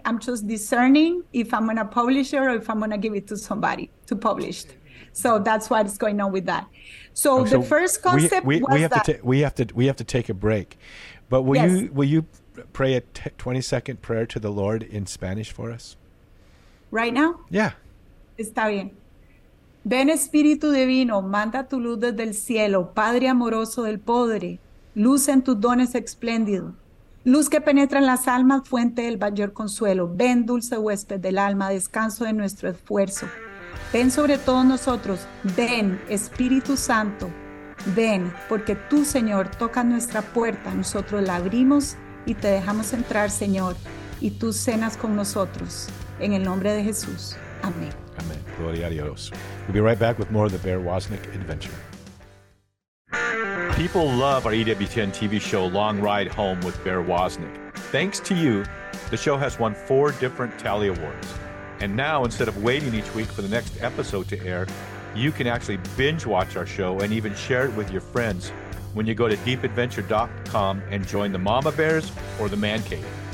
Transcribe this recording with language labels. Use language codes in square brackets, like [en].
[en] I'm just discerning if I'm going to publish it or if I'm going to give it to somebody to publish it. So that's what's going on with that. So the first concept we have to take a break. But will you pray a 20-second prayer to the Lord in Spanish for us? Right now? Yeah. [es] Está bien. Ven Espíritu Divino, manda tu luz desde el cielo, Padre amoroso del Padre, luz en tus dones espléndido, luz que penetra en las almas, fuente del mayor consuelo. Ven dulce huésped del alma, descanso de nuestro esfuerzo. Ven sobre todos nosotros, ven Espíritu Santo, ven, porque tú, Señor, tocas nuestra puerta, nosotros la abrimos y te dejamos entrar, Señor, y tú cenas con nosotros, en el nombre de Jesús. Amén. Amén. Gloria a Dios. [en] We'll be right back with more of the Bear Wozniak Adventure. People love our EWTN TV show, Long Ride Home with Bear Wozniak. Thanks to you, the show has won 4 different Tally Awards. And now, instead of waiting each week for the next episode to air, you can actually binge watch our show and even share it with your friends when you go to deepadventure.com and join the Mama Bears or the Man Cave.